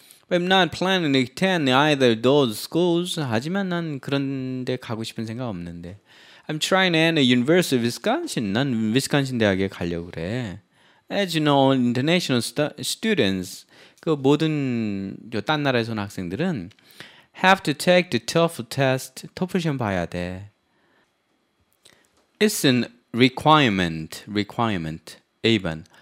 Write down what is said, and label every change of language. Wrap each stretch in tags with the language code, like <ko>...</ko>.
<en>I'm not planning to attend either those schools.</en> <ko>하지만 난 그런 데 가고 싶은 생각 없는데.</ko> <en>I'm trying to end a university of Wisconsin.</en> <ko>난 위스콘신 대학에 가려고 그래.</ko> <en>As you know, international students,</en> <ko>그 모든 딴 나라에서 온 학생들은</ko> <en>Have to take the TOEFL test.</en> <ko>TOEFL 시험 봐야 돼.</ko> <en>It's a requirement. Requirement.</en> <ko>A번.</ko>